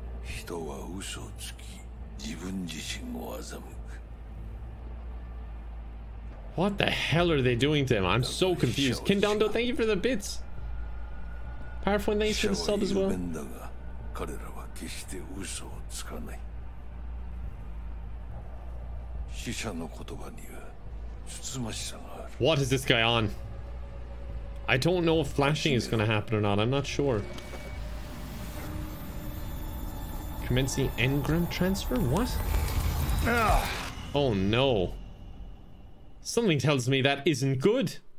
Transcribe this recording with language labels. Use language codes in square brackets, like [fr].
[ja] 人は嘘をつき自分自身を欺く。 [en] What the hell are they doing to him? I'm so confused. Ken Dondo, thank you for the bits. Powerful, thank you for the sub as well. [ja] 彼らは決して嘘をつかない。死者の言葉には慎ましさがある。 [en] What is this guy on? I don't know if flashing is going to happen or not. I'm not sure. Commencing engram transfer? What? Oh no. Something tells me that isn't good.